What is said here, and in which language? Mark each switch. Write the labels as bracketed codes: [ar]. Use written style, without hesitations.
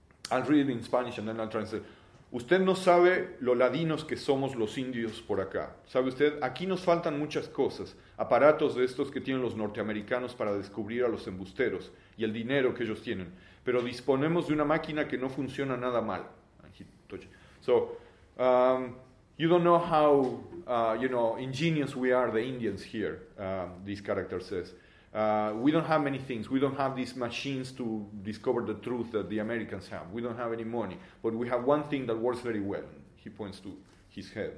[en] I'll read it in Spanish and then I'll translate. [es] Usted no sabe lo ladinos que somos los indios por acá. ¿Sabe usted? Aquí nos faltan muchas cosas. Aparatos de estos que tienen los norteamericanos para descubrir a los embusteros y el dinero que ellos tienen. Pero disponemos de una máquina que no funciona nada mal. [en] So, you don't know how, ingenious we are, the Indians here, this character says. We don't have many things. We don't have these machines to discover the truth that the Americans have. We don't have any money. But we have one thing that works very well. He points to his head.